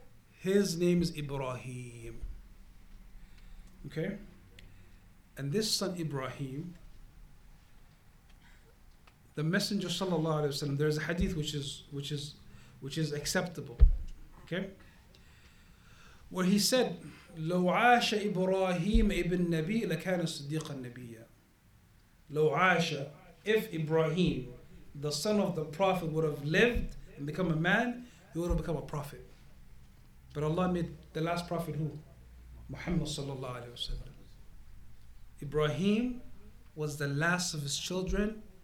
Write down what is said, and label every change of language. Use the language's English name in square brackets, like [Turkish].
[English] His name is Ibrahim. Okay? And this son Ibrahim, the Messenger sallallahu alayhi wa sallam, there's a hadith which is acceptable. Okay? Where he said, [Arabic] لو عاش إبراهيم ابن نبي لكان صديقا نبيا. لو عاش, [English] if Ibrahim, the son of the Prophet, would have lived and become a man, he would have become a prophet. But Allah made the last prophet who? Muhammad sallallahu alayhi wa sallam. Ibrahim was the last of his children.